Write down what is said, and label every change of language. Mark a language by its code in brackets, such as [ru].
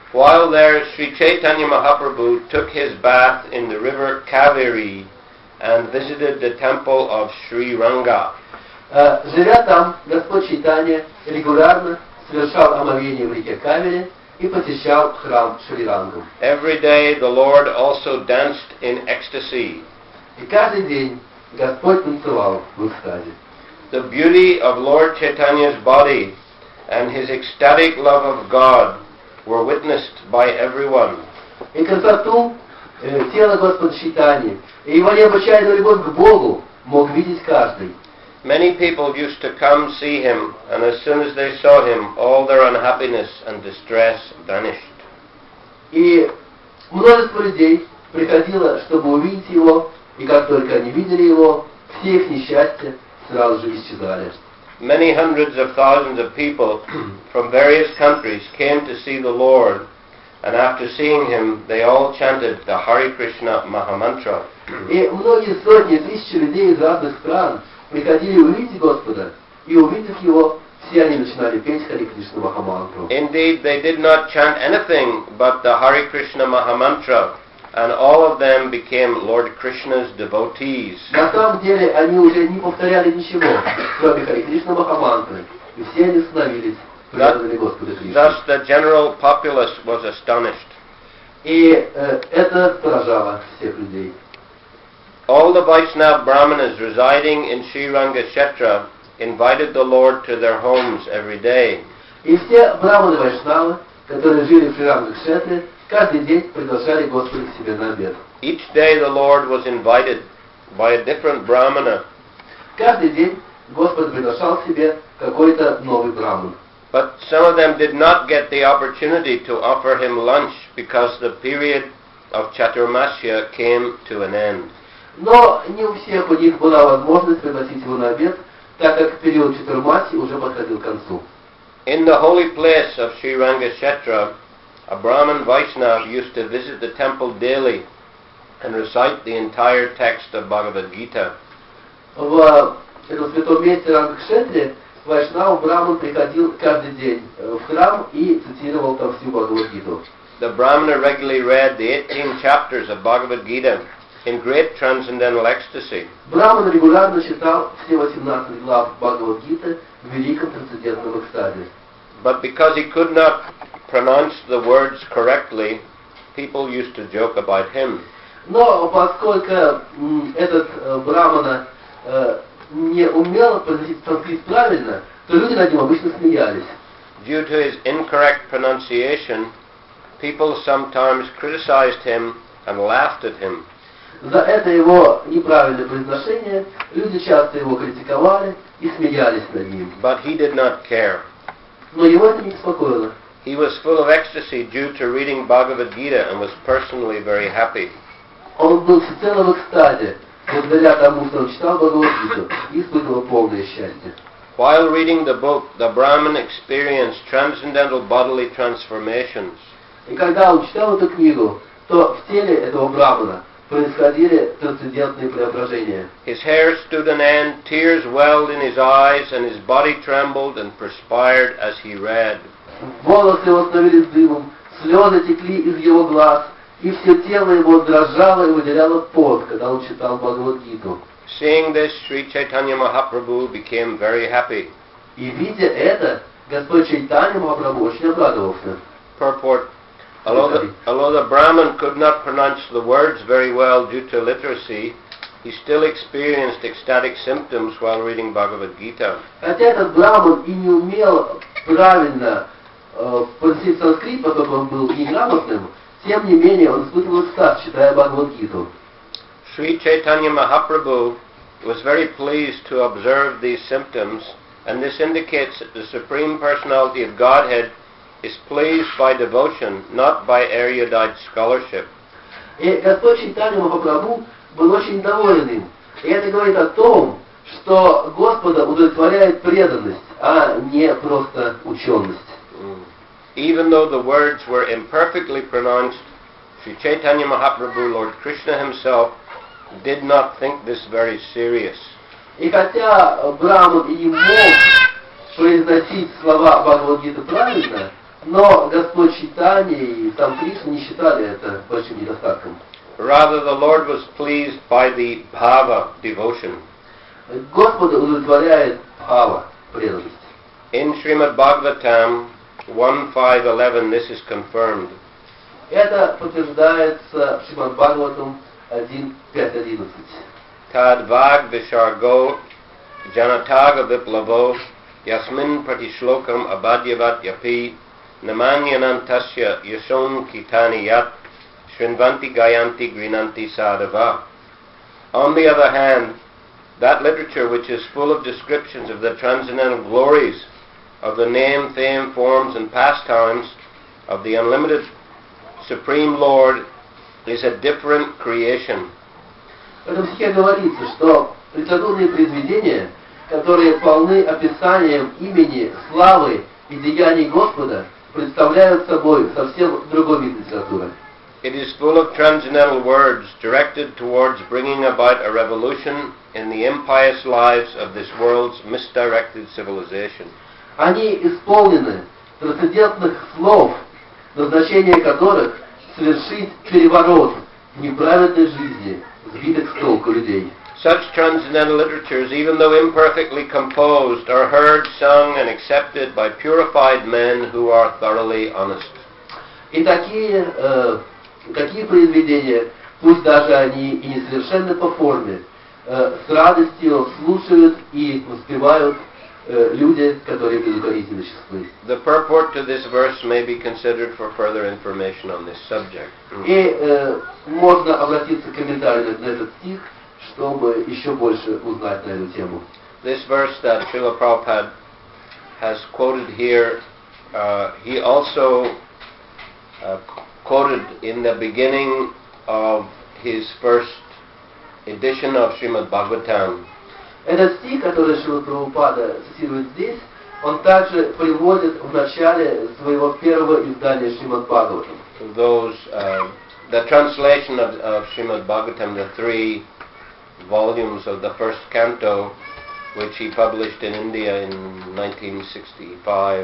[en] While there, Sri Chaitanya Mahaprabhu took his bath in the river Kaveri and visited the temple of Sri Ranga. [ru] Живя там, Господь Чайтанья регулярно совершал омовение в реке Кавери и посещал храм Шри Рангу. [en] Every day the Lord also danced in ecstasy. [ru] И каждый день Господь танцевал в экстазе. [en] The beauty of Lord Chaitanya's body and his ecstatic love of God were witnessed by everyone. [ru] И красоту тела Господа Чайтаньи и его необычайную любовь к Богу мог видеть каждый. [en] Many people used to come see him, and as soon as they saw him, all their unhappiness and distress vanished. [ru] И множество людей приходило, чтобы увидеть его, и как только они видели его, все их несчастья сразу же исчезали. [en] Many hundreds of thousands of people from various countries came to see the Lord, and after seeing him, they all chanted the Hare Krishna Maha Mantra. [ru] И многие сотни, тысячи людей из разных стран приходили увидеть Господа, и увидев его, все они начинали петь Хари Кришна Махамантру. [en] Indeed, they did not chant anything but the Hare Krishna Mahamantra, and all of them became Lord Krishna's devotees. [ru] На самом деле, они уже не повторяли ничего, кроме Хари Кришна Махамантры, и все они становились преданными Господу Кришне. [en] Thus, the general populace was astonished. [ru] И это поражало всех людей. [en] All all the Vaishnava Brahmanas residing in Sri Ranga Kshetra invited the Lord to their homes every day. [ru] И все брахманы Вайшнавы, которые жили в Шри Ранга Кшетре, каждый день приглашали Господа к себе на обед. [en] Each day the Lord was invited by a different brahmana. [ru] Каждый день Господь приглашал к себе какой-то новый брахман. [en] But some of them did not get the opportunity to offer him lunch because the period of Chaturmasya came to an end. [ru] Но не у всех у них была возможность пригласить его на обед, так как период Чатурмасьи уже подходил к концу. [en] In the holy place of Sri Ranga Kshetra, a Brahmin Vaishnav used to visit the temple daily and recite the entire text of Bhagavad Gita. [ru] В этом святом месте Ранга Кшетре Вайшнав Брахман приходил каждый день в храм и цитировал там всю Бхагавад Гиту. [en] The Brahmana regularly read the 18 chapters of Bhagavad Gita in great transcendental ecstasy. [ru] Брахман регулярно читал все 18 глав Бхагавад Гиты в великом трансцендентном экстазе. [en] But because he could not pronounce the words correctly, people used to joke about him. [ru] Но поскольку этот Брахмана не умел произносить правильно, то люди над ним обычно смеялись. [en] Due to his incorrect pronunciation, people sometimes criticized him and laughed at him. [ru] За это его неправильное произношение люди часто его критиковали и смеялись над ним. [en] But he did not care. [ru] Но его это не беспокоило. [en] He was full of ecstasy due to reading Bhagavad Gita and was personally very happy. [ru] Он был всецело в экстазе благодаря тому, что он читал Бхагавад Гиту, и испытывал полное счастье. [en] While reading the book, the Brahmin experienced transcendental bodily transformations. [ru] И когда он читал эту книгу, то в теле этого брахмана происходили трансцендентные преображения. [en] His hair stood on end, tears welled in his eyes, and his body trembled and perspired as he read. [ru] Волосы его становились дымом, слезы текли из его глаз, и все тело его дрожало и выделяло пот, когда он читал Бхагавад Гиту. [en] Seeing this, Sri Chaitanya Mahaprabhu became very happy. [ru] И видя это, Господь Чайтанья Махапрабху очень обрадовался. [en] Purport. Although the Brahmin could not pronounce the words very well due to literacy, he still experienced ecstatic symptoms while reading Bhagavad Gita. [ru] Хотя этот Брахман и не умел правильно произносить санскрит, поскольку он был неграмотным, тем не менее он испытывал экстаз, читая Бхагавад Гиту. [en] Sri Chaitanya Mahaprabhu was very pleased to observe these symptoms, and this indicates that the Supreme Personality of Godhead is pleased by devotion, not by erudite scholarship. [ru] И Господь Чайтанья Махапрабху был очень доволен им. И это говорит о том, что Господа удовлетворяет преданность, а не просто ученость. [en] Even though the words were imperfectly pronounced, Sri Chaitanya Mahaprabhu, Lord Krishna himself, did not think this very serious. [ru] И хотя Брахман и не мог произносить слова Бхагавад Гиты правильно, но Господь Чайтанья и сам Кришна не считали это большим недостатком. [en] Rather, the Lord was pleased by the bhava, devotion. [ru] Господа удовлетворяет bhava, преданность. [en] In Srimad Bhagavatam 1.5.11, this is confirmed. [ru] Это подтверждается в Шримад Бхагаватам 1.5.11. [sa] Тад ваг вишарго джанатага виплаво ясмин пратишлокам абадьяват япи намань-янантасья ясон китани ят шринванти гаянти гринанти садава. [en] On the other hand, that literature which is full of descriptions of the transcendental glories of the name, fame, forms and pastimes of the unlimited Supreme Lord is a different creation. [ru] В этом стихе говорится, что литературные произведения, которые полны описанием имени, славы и деяний Господа, представляют собой совсем другой вид литературы. [en] It is full of transcendental words directed towards bringing about a revolution in the impious lives of this world's misdirected civilization. [ru] Они исполнены трансцендентных слов, назначение которых — совершить переворот в неправедной жизни, сбитых с толку людей. [en] Such transcendental literatures, even though imperfectly composed, are heard, sung, and accepted by purified men who are thoroughly honest. [ru] И такие произведения, пусть даже они и несовершенны по форме, с радостью слушают и успевают люди, которые предупредительно чисты. [en] The purport to this verse may be considered for further information on this subject. [ru] И можно обратиться к комментарию на этот стих, чтобы еще больше узнать на эту тему. [en] This verse that Srila Prabhupada has quoted here, he also quoted in the beginning of his first edition of Srimad Bhagavatam. [ru] Этот стих, который Шрила Прабхупада цитирует здесь, он также приводит в начале своего первого издания Шримад Бхагаватам. [en] The translation of Srimad Bhagavatam, the three volumes of the first canto, which he published in India in 1965,